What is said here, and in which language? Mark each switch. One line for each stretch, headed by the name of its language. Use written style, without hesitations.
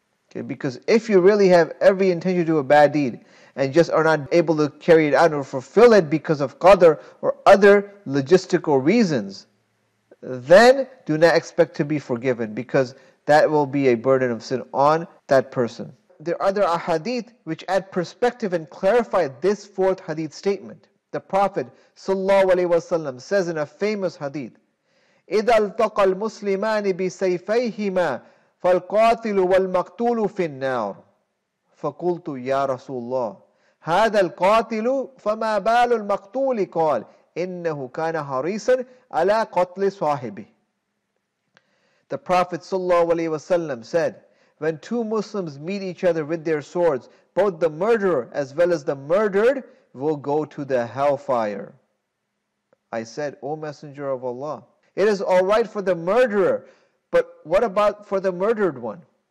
English: Okay, because if you really have every intention to do a bad deed and just are not able to carry it out or fulfill it because of qadr or other logistical reasons, then do not expect to be forgiven, because that will be a burden of sin on that person. There are other ahadith which add perspective and clarify this fourth hadith statement. The Prophet sallallahu alaihi wasallam says in a famous hadith,
Arabic: إِذَا الْتَقَى الْمُسْلِمَانِ بِسَيْفَيْهِمَا فَالْقَاتِلُ وَالْمَقْتُولُ فِي النَّارِ فَقُلْتُ يَا رَسُولَ اللَّهِ هَذَا الْقَاتِلُ فَمَا بَالُ الْمَقْتُولِ قَالَ إِنَّهُ كَانَ حَرِيصًا عَلَىٰ قَتْلِ صَاحِبِهِ.
English: The Prophet ﷺ said, when two Muslims meet each other with their swords, both the murderer as well as the murdered will go to the hellfire. I said, O Messenger of Allah, it is alright for the murderer, but what about for the murdered one?